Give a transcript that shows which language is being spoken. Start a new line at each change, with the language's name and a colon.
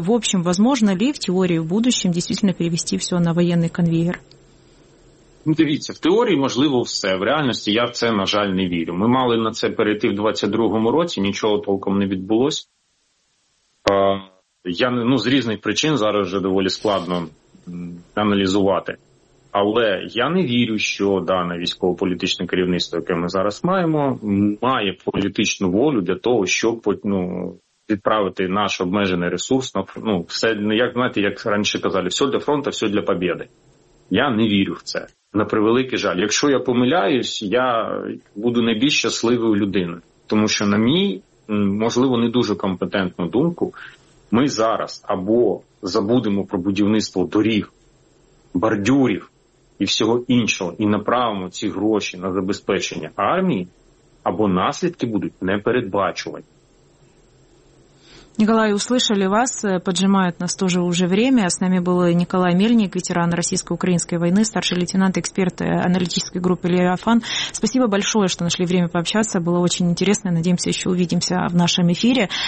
Russian: В общем, возможно ли в теории в будущем действительно перевести все на воєнний конвейер?
Ukrainian: Дивіться, в теорії можливо все, в реальності я в це, на жаль, не вірю. Ми мали на це перейти в 22-му році, нічого толком не відбулося. Я, ну, з різних причин зараз вже доволі складно аналізувати. Але я не вірю, що дане військово-політичне керівництво, яке ми зараз маємо, має політичну волю для того, щоб, ну, відправити наш обмежений ресурс, ну, все, як, знаєте, як раніше казали, все для фронту, все для побєди. Я не вірю в це, на превеликий жаль. Якщо я помиляюсь, я буду найбільш щасливою людиною. Тому що на мій, можливо, не дуже компетентну думку, ми зараз або забудемо про будівництво доріг, бордюрів і всього іншого, і направимо ці гроші на забезпечення армії, або наслідки будуть непередбачувані.
Russian: Николай, услышали вас, поджимают нас тоже уже время. С нами был Николай Мельник, ветеран российско-украинской войны, старший лейтенант, эксперт аналитической группы «Левиафан». Спасибо большое, что нашли время пообщаться. Было очень интересно. Надеемся, еще увидимся в нашем эфире.